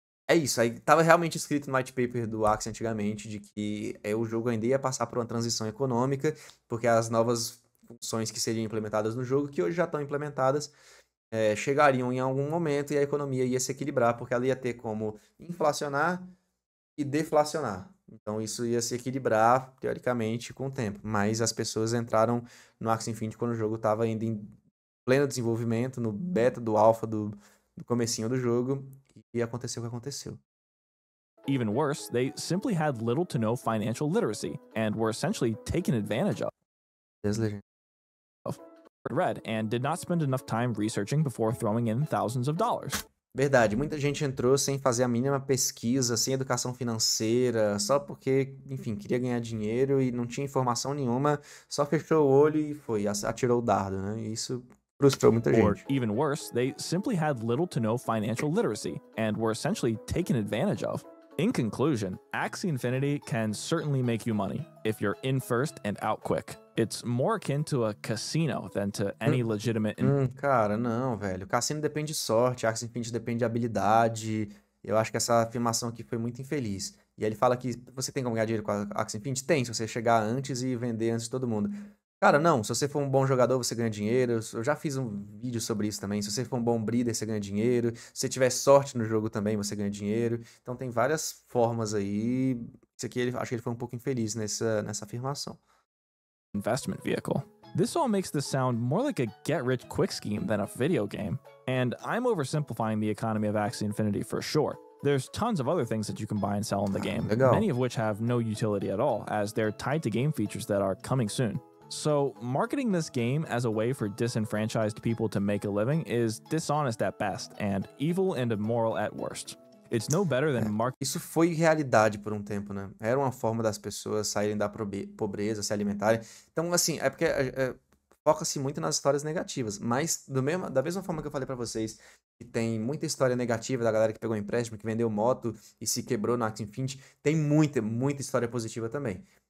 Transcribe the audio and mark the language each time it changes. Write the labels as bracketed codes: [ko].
[pt] Isso. Aí estava realmente escrito no white paper do Axie antigamente de que o jogo ainda ia passar por uma transição econômica, porque as novas funções que seriam implementadas no jogo, que hoje já estão implementadas, chegariam em algum momento e a economia ia se equilibrar, porque ela ia ter como inflacionar e deflacionar. Então isso ia se equilibrar, teoricamente, com o tempo. Mas as pessoas entraram no Axie Infinity quando o jogo estava ainda em pleno desenvolvimento, no beta do alpha do comecinho do jogo, e aconteceu o que aconteceu. [en] Even worse, they simply had little to no financial literacy and were essentially taken advantage of. Read and did not spend enough time researching before throwing in thousands of dollars. [pt] Verdade, muita gente entrou sem fazer a mínima pesquisa, sem educação financeira, só porque, enfim, queria ganhar dinheiro e não tinha informação nenhuma, só fechou o olho e foi, atirou o dardo, né? E isso frustrou muita gente. [en] Or even worse, they simply had little to no financial literacy and were essentially taken advantage of. In conclusion, Axie Infinity can certainly make you money if you're in first and out quick. It's more akin to a casino than to any legitimate... [pt] Cara, não, velho. Cassino depende de sorte, Axie Infinity depende de habilidade. Eu acho que essa afirmação aqui foi muito infeliz. E aí ele fala que você tem como ganhar dinheiro com a Axie Infinity? Tem, se você chegar antes e vender antes de todo mundo. Cara, não. Se você for um bom jogador, você ganha dinheiro. Eu já fiz um vídeo sobre isso também. Se você for um bom breeder, você ganha dinheiro. Se você tiver sorte no jogo também, você ganha dinheiro. Então tem várias formas aí. Isso aqui, ele, acho que ele foi um pouco infeliz nessa afirmação. [en] Investment vehicle. This all makes this sound more like a get-rich-quick scheme than a video game. And I'm oversimplifying the economy of Axie Infinity for sure. There's tons of other things that you can buy and sell in the game. Many of which have no utility at all, as they're tied to game features that are coming soon. So, marketing this game as a way for disenfranchised people to make a living is dishonest at best, and evil and immoral at worst. It's no better than marketing... [pt] Isso foi realidade por um tempo, né? Era uma forma das pessoas saírem da pobreza, se alimentarem. Então, assim, é porque foca-se muito nas histórias negativas. Mas, da mesma forma que eu falei pra vocês, que tem muita história negativa da galera que pegou empréstimo, que vendeu moto e se quebrou no Axie Infinity, tem muita, muita história positiva também.